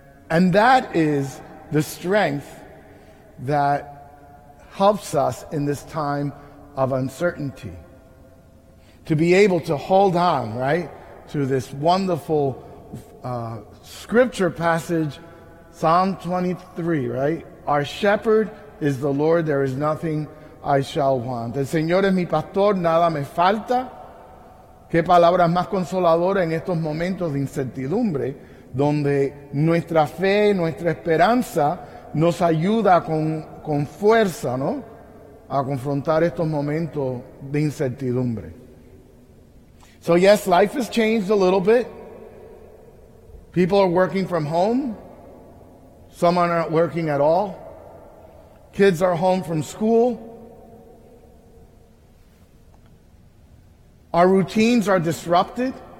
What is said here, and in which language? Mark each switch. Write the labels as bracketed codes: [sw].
[en] And that is the strength that helps us in this time of uncertainty. To be able to hold on, right, to this wonderful scripture passage, Psalm 23, right? Our shepherd is the Lord, there is nothing I shall want. [es] El Señor es mi pastor, nada me falta. Qué palabras más consoladoras en estos momentos de incertidumbre, donde nuestra fe, nuestra esperanza nos ayuda con fuerza, ¿no?, a confrontar estos momentos de incertidumbre. [en] So yes, life has changed a little bit. People are working from home. Some aren't working at all. Kids are home from school. Our routines are disrupted.